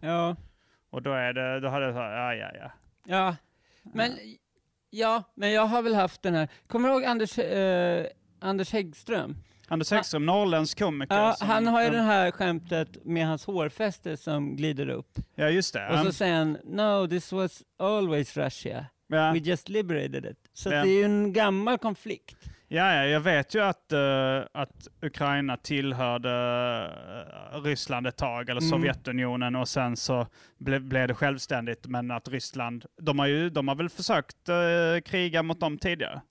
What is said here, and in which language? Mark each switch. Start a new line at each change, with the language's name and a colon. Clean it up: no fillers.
Swedish: Ja. Och då har det så här, ja. Ja, men jag har väl haft den här. Kommer du ihåg Anders Häggström? Anders Häggström, norrländsk komiker. Ja, han har ju den här skämtet med hans hårfäste som glider upp. Ja, just det. Och så säger han,
English: no, this was always Russia.
Swedish: Ja.
English: We just liberated it.
Swedish: Så ja. Det är ju en gammal konflikt. Ja, jag vet ju att Ukraina tillhörde Ryssland ett tag, eller Sovjetunionen, och sen så blev det självständigt. Men att Ryssland, de har väl försökt kriga mot dem tidigare?